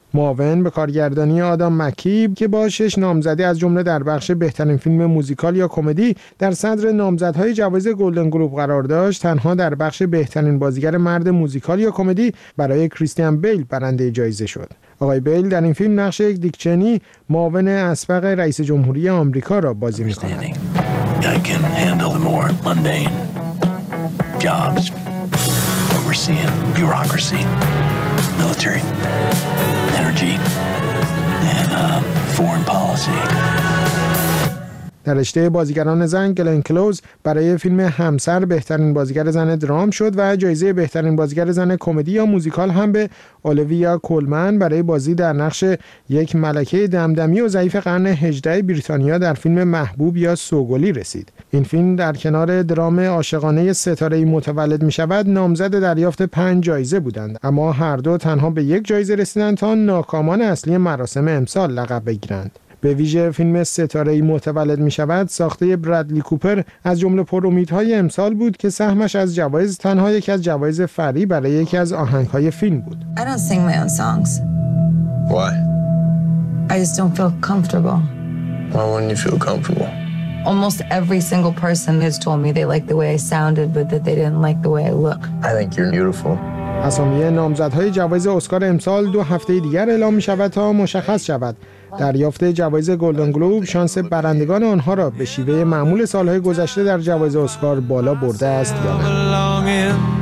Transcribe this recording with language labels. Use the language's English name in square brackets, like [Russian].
[Persian] معاون به کارگردانی آدام مکیب که با شش نامزدی از جمله در بخش بهترین فیلم موزیکال یا کمدی در صدر نامزدهای جوایز گلدن گلوب قرار داشت، تنها در بخش بهترین بازیگر مرد موزیکال یا کمدی برای کریستیان بیل برنده جایزه شد. آقای بیل در این فیلم نقش یک دیک چنی، معاون اسبق رئیس جمهوری آمریکا را بازی می‌کند. [English] I can handle the more mundane jobs, overseeing bureaucracy, military, energy, and foreign policy. [Persian] در رشته بازیگران زن گلن کلوز برای فیلم همسر بهترین بازیگر زن درام شد و جایزه بهترین بازیگر زن کمدی یا موزیکال هم به اولیویا کولمن برای بازی در نقش یک ملکه دمدمی و ضعیف قرن 18 بریتانیا در فیلم محبوب یا سوگلی رسید. این فیلم در کنار درام عاشقانه ستاره‌ای متولد می‌شود نامزد دریافت 5 جایزه بودند، اما هر دو تنها به یک جایزه رسیدند تا ناکامان اصلی مراسم امسال لقب بگیرند. به ویژه فیلم ستاره‌ای متولد می‌شود ساخته برادلی کوپر از جمله پرامیدهای امسال بود که سهمش از جوایز تنها یکی از جوایز فری برای یکی از آهنگ‌های فیلم بود. [English] I don't sing my own songs. Why? I just don't feel comfortable. Why wouldn't you feel comfortable? Almost every single person has told me they like the way I sounded but that they didn't like the way I look. I think you're beautiful. [Persian] اسامی نامزدهای جوایز اسکار امسال 2 هفته دیگر اعلام می‌شود تا مشخص شود. دریافت جوایز گلدن گلوب شانس برندگان آنها را به شیوه معمول سالهای گذشته در جوایز اسکار بالا برده است یا نه.